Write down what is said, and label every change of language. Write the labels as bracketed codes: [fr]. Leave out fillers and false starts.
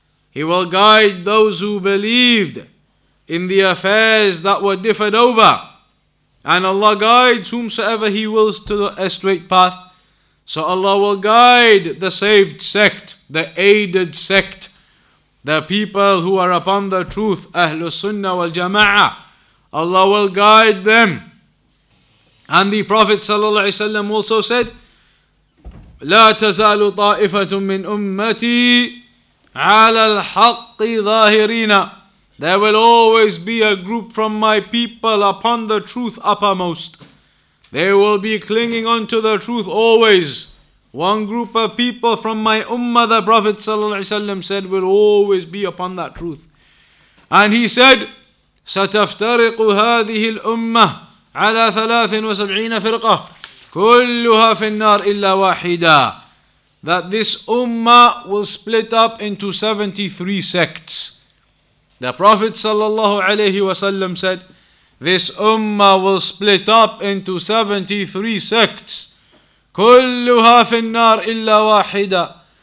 [en] He will guide those who believed in the affairs that were differed over. And Allah guides whomsoever He wills to the straight path. So Allah will guide the saved sect, the aided sect, the people who are upon the truth, Ahlul Sunnah wal Jama'ah. Allah will guide them. And the Prophet ﷺ also said, [ar] لا تزال طائفة من أمتي على الحق ظاهرين. [en] There will always be a group from my people upon the truth uppermost. They will be clinging on to the truth always. One group of people from my ummah, the Prophet ﷺ said, will always be upon that truth. And he said, [ar] ستفترق هذه الأمة على 73 فرقة كلها في النار إلا واحدة. [en] That this ummah will split up into 73 sects. The Prophet ﷺ said, this ummah will split up into 73 sects. [ar] كلها في النار إلا واحدة.